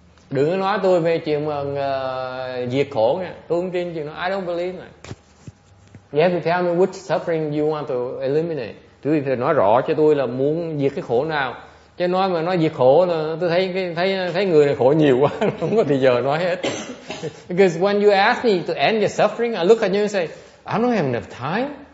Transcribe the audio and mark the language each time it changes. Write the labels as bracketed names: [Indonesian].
[Vietnamese] Đừng nói tôi về chuyện diệt khổ nha. Tôi không tin chuyện đó. [English] I don't believe that. You have to tell me which suffering you want to eliminate. [Vietnamese] Tôi phải nói rõ cho tôi là muốn diệt cái khổ nào. Chứ nói mà nói diệt khổ là tôi thấy người này khổ nhiều quá, không có thời giờ nói hết. [English] Because when you ask me to end your suffering, I look at you and say, I don't have enough time.